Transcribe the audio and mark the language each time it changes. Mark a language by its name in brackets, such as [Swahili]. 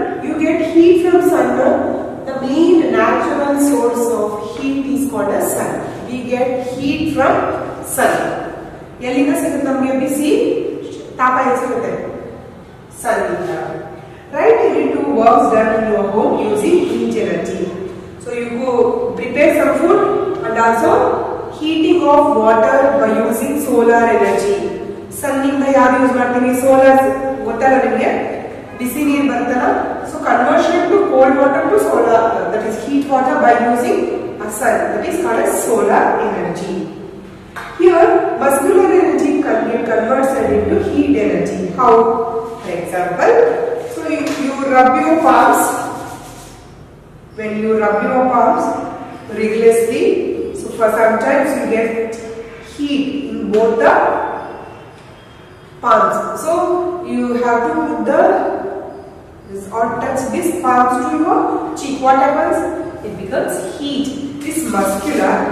[English] You get heat from sun. No? The main natural source of heat is called as sun. We get heat from sun. [Kannada] ಎಲ್ಲಿಂದ ಸಿಗುತ್ತೆ ನಮಗೆ ಬಿಸಿ ತಾಪ ಏನ್ ಸಿಗುತ್ತೆ ಸನ್ನಿಂದ. [English] Right, ಇಲ್ಲಿ to works done in your home using heat energy. So you prepare some food and also heating of water by using solar energy. [Kannada] ಸನ್ನಿಂದ ಯಾರು use ಮಾಡ್ತೀನಿ, solar ಗೊತ್ತಲ್ಲ ನಿಮಗೆ, ಬಿಸಿ ನೀರು ಬರ್ತಲ್ಲ. [English] So conversion to cold water to solar, that is heat water by using a sun, that is called as solar energy. Here muscular energy converts into heat energy. How, for example, so if you rub your palms, when you rub your palms, rigorously. So for sometimes you get heat in both the palms. So you have to put the this or touch this palms to your cheek. What happens? It becomes heat. This muscular.